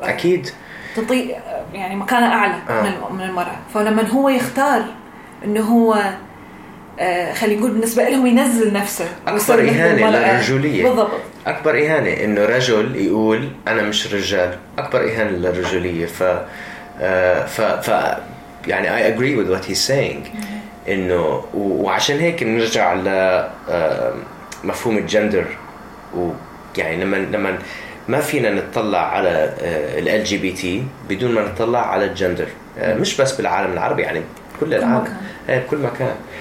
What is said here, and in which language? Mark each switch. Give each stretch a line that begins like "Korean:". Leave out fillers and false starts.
Arabic: أكيد تنطي يعني مكانة أعلى من المرأة فلما هو يختار إنه هو خلي نقول بالنسبة لهم ينزل نفسه. أكبر إهانة للرجولية. بالضبط. أكبر إهانة إنه رجل يقول أنا مش رجال. أكبر إهانة للرجولية. ف ف ف يعني
English: I agree with what he's saying.
Arabic: إنه وعشان هيك نرجع لمفهوم الجندر ويعني لما ما فينا نتطلع على ال LGBT بدون ما نتطلع على الجندر مش بس بالعالم العربي يعني كل العالم بكل مكان.